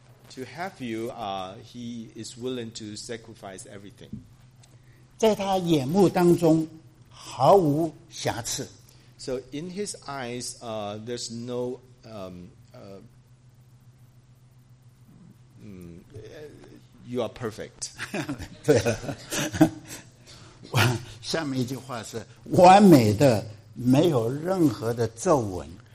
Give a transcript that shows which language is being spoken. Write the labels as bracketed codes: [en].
[en] To have you, he is willing to sacrifice everything. [zh] 在他眼目当中，毫无瑕疵。 [en] So in his eyes, there's no you are perfect. [zh] 对了，下面一句话是完美的，没有任何的皱纹。